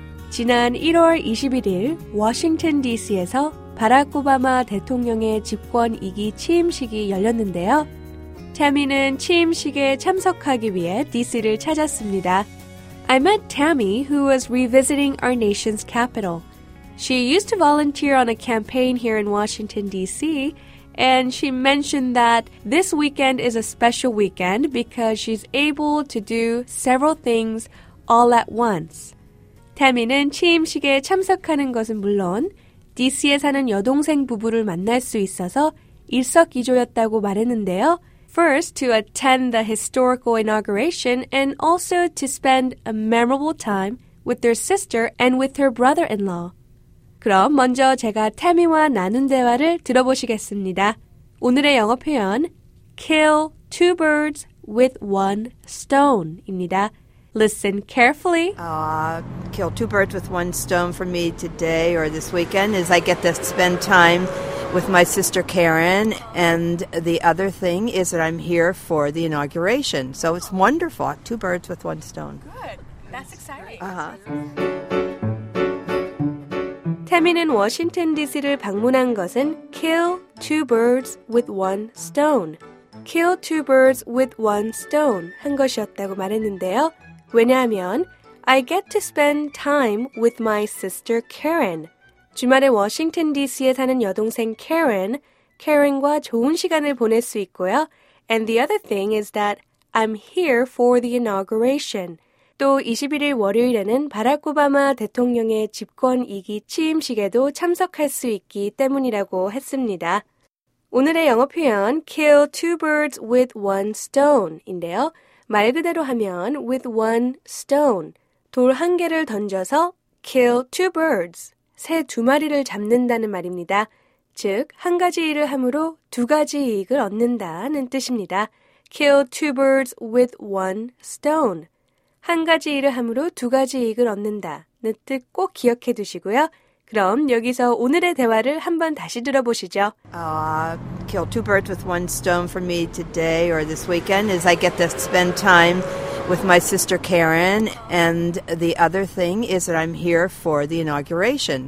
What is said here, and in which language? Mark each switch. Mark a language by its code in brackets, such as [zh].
[ko] 지난 1월 21일 워싱턴 DC에서 바락 오바마 대통령의 집권 2기 취임식이 열렸는데요. 태미는 취임식에 참석하기 위해 DC를 찾았습니다. [en] I met Tammy, who was revisiting our nation's capital. She used to volunteer on a campaign here in Washington, D.C., and she mentioned that this weekend is a special weekend because she's able to do several things all at once. [ko] Tammy는 취임식에 참석하는 것은 물론 D.C.에 사는 여동생 부부를 만날 수 있어서 일석이조였다고 말했는데요. [en] First, to attend the historical inauguration and also to spend a memorable time with their sister and with her brother-in-law. [ko] 그럼 먼저 제가 태미와 나눈 대화를 들어보시겠습니다. 오늘의 영어 표현, [en] kill two birds with one stone [ko] 입니다. [en] Listen carefully. Kill two birds with one stone for me today or this weekend is I get to spend time with my sister Karen. And the other thing is that I'm here for the inauguration. So it's wonderful. Two birds with one stone. Good. That's exciting. [ko] Tammy는 워싱턴 DC를 방문한 것은 [en] kill two birds with one stone. Kill two birds with one stone [ko] 한 것이었다고 말했는데요. 왜냐하면 [en] I get to spend time with my sister Karen. [ko] 주말에 워싱턴 DC에 사는 여동생 Karen, Karen과 좋은 시간을 보낼 수 있고요. [en] And the other thing is that I'm here for the inauguration. [ko] 또 21일 월요일에는 바락 오바마 대통령의 집권 2기 취임식에도 참석할 수 있기 때문이라고 했습니다. 오늘의 영어 표현 [en] kill two birds with one stone [ko] 인데요. 말 그대로 하면 [en] with one stone, [ko] 돌 한 개를 던져서 [en] kill two birds, [ko] 새 두 마리를 잡는다는 말입니다. 즉, 한 가지 일을 함으로 두 가지 이익을 얻는다는 뜻입니다. [en] kill two birds with one stone. [ko] 한 가지 일을 함으로 두 가지 이익을 얻는다는 뜻 꼭 기억해 두시고요. 그럼 여기서 오늘의 대화를 한번 다시 들어보시죠. [en] Kill two birds with one stone for me today or this weekend is I get to spend time with my sister Karen. And the other thing is that I'm here for the inauguration.